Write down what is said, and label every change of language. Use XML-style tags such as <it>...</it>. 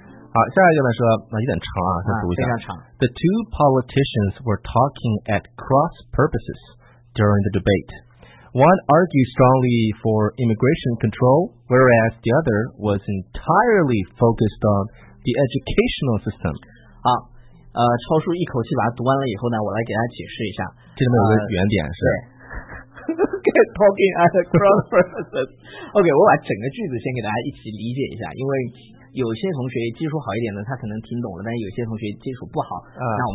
<zh>好，下一个呢说，有点长啊，先读一下，啊，非常长。</zh> <en>The two politicians were talking at cross purposes during the debate. One argued strongly for immigration control, whereas the other was entirely focused on the educational system.</en> <zh>好，超叔一口气把它读完了以后呢，我来给大家解释一下。这里面有个原点是。</zh> <en>Get talking at cross purposes.</en> <zh>OK， 我把整个句子先给大家一起理解一下，因为有些同学基础好一点的他可能听懂了，但有些同学基础不好，那我们</zh>